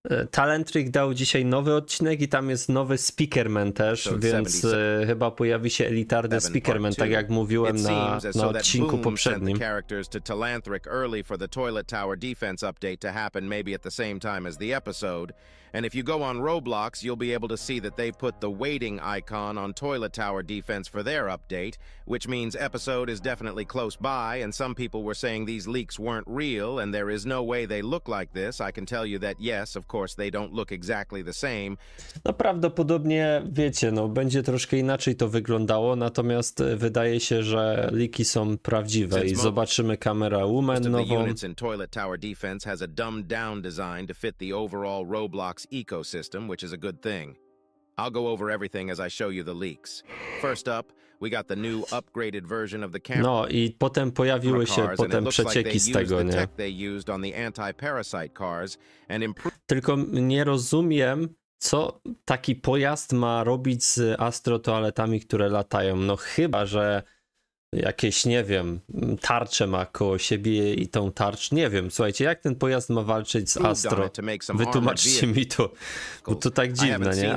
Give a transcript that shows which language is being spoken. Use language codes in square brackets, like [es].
[pl] Talanthric dał dzisiaj nowy odcinek i tam jest nowy Speakerman też, więc chyba pojawi się elitarny Speakerman, tak jak mówiłem na odcinku poprzednim. [en] Characters to Talanthric early for the toilet tower defense update to happen maybe at the same time as the episode. And if you go on Roblox, you'll be able to see that they put the waiting icon on toilet tower defense for their update, which means episode is definitely close by, and some people were saying these leaks weren't real, and there is no way they look like this. I can tell you that yes, of course, they don't look exactly the same. [pl] No prawdopodobnie, wiecie, no będzie troszkę inaczej to wyglądało, natomiast wydaje się, że leaky są prawdziwe i zobaczymy kamerę Woman nową. [en] The units in toilet tower defense has a dumbed down design to fit the overall Roblox ecosystem, which is a good thing. I'll go over everything as I show you the leaks. First up, we got the new upgraded version of the camera. [pl] No i potem pojawiły się potem przecieki z tego, nie? [en] They used on the anti-parasite cars and improved... [pl] Tylko nie rozumiem, co taki pojazd ma robić z astrotoaletami, które latają. No chyba, że jakieś, nie wiem, tarcze ma koło siebie i tą tarcz, nie wiem, słuchajcie, jak ten pojazd ma walczyć z Astro? Wytłumaczcie mi to, bo to tak dziwne, nie?